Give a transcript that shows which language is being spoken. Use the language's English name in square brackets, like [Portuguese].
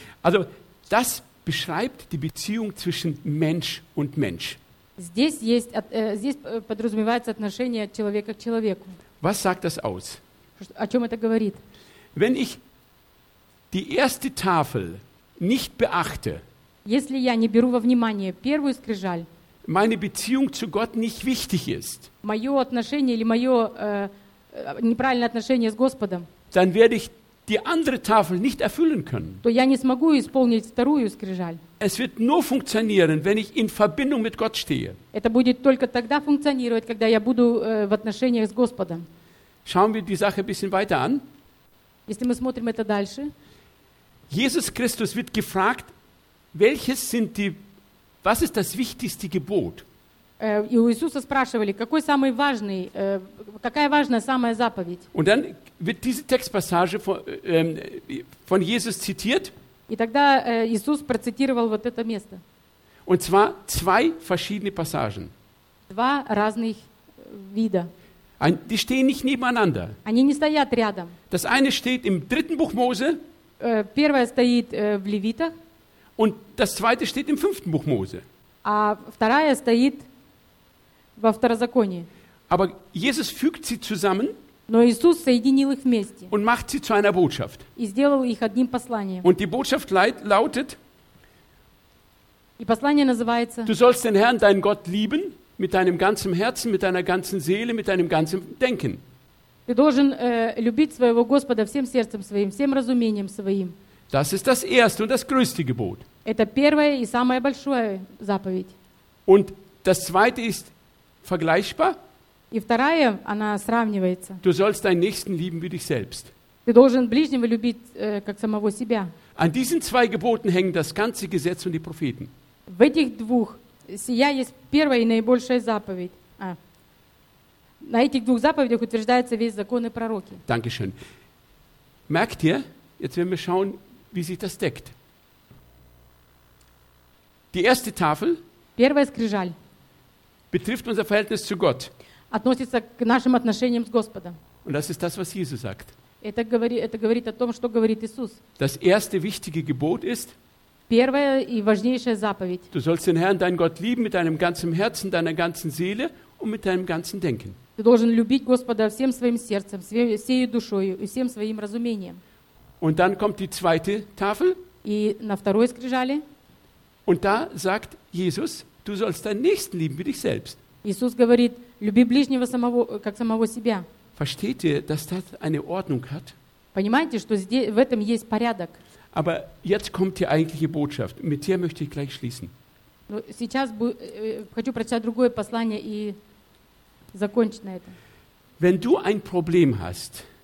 [German] Also, das beschreibt die Beziehung zwischen Mensch und Mensch. [Russian] Здесь есть, здесь подразумевается отношение человека к человеку. [German] Was sagt das aus? [Russian] О чем это говорит? [German] Wenn ich die erste Tafel nicht beachte, [Russian] если я не беру во внимание первую скрижаль, [German] meine Beziehung zu Gott nicht wichtig ist, [Russian] мое отношение или мое неправильное отношение с Господом, [German] dann werde ich die andere Tafel nicht erfüllen können. [Russian] То я не смогу исполнить вторую скрижаль. [German] Es wird nur funktionieren, wenn ich in Verbindung mit Gott stehe. [Russian] Это будет только тогда функционировать, когда я буду в отношениях с Господом. [German] Schauen wir die Sache ein bisschen weiter an. [Russian] Если мы смотрим это дальше. [German] Jesus Christus wird gefragt, welches sind die Was ist das wichtigste Gebot? [Russian] И у Иисуса спрашивали, какой самый важный, какая важная самая заповедь? [German] Und dann wird diese Textpassage von Jesus zitiert. [Russian] И тогда Иисус процитировал вот это место. [German] Und zwar zwei verschiedene Passagen. [Russian] Два разных вида. [German] Die stehen nicht nebeneinander. [Russian] Они не стоят рядом. [German] Das eine steht im dritten Buch Mose. [Russian] Первое стоит в Левитах. [German] Und das zweite steht im fünften Buch Mose. [Russian] А вторая стоит во Второзаконии. [German] Aber Jesus fügt sie zusammen. [Russian] Но Иисус соединил их вместе. [German] Und macht sie zu einer Botschaft. [Russian] И сделал их одним посланием. [German] Und die Botschaft lautet. [Russian] И послание называется. [German] Du sollst den Herrn, deinen Gott lieben mit deinem ganzen Herzen, mit deiner ganzen Seele, mit deinem ganzen Denken. [Russian] Ты должен любить своего Господа всем сердцем своим, всем разумением своим. [German] Das ist das erste und das größte Gebot. [Russian] Это первое и самое большое заповедь. [German] Und das zweite ist vergleichbar. [Russian] И вторая, она сравнивается. [German] Du sollst deinen Nächsten lieben wie dich selbst. [Russian] Ты должен ближнего любить, как самого себя. [German] An diesen zwei Geboten hängen das ganze Gesetz und die Propheten. [Russian] В этих двух сия есть первая и наибольшая заповедь. А. На этих двух заповедях утверждается весь закон и пророки. [German] Dankeschön. Merkt ihr? Jetzt werden wir schauen, wie sich das deckt. Die erste Tafel [Russian] Первая скрижаль [German] betrifft unser Verhältnis zu Gott. [Russian] Относится к нашим отношениям с Господом. [German] Und das ist das, was Jesus sagt. [Russian] Это говорит о том, что говорит Иисус. [German] Das erste wichtige Gebot ist [Russian] Первая и важнейшая заповедь. [German] Du sollst den Herrn, deinen Gott lieben mit deinem ganzen Herzen, deiner ganzen Seele und mit deinem ganzen Denken. [Russian] Ты должен любить Господа всем своим сердцем, всей душой и всем своим разумением. [German] Und dann kommt die zweite Tafel. [Russian] И на второй скрижали. [German] Und da sagt Jesus, du sollst deinen Nächsten lieben wie dich selbst. [Russian] Иисус говорит, люби ближнего самого, как самого себя. [German] Versteht ihr, dass das eine Ordnung hat? [Russian] Понимаете, что здесь, в этом есть порядок? [German] Aber jetzt kommt die eigentliche Botschaft. Mit der möchte ich gleich schließen. [Russian] Но сейчас хочу прочитать другое послание и закончить на этом. [German] Wenn du ein Problem hast,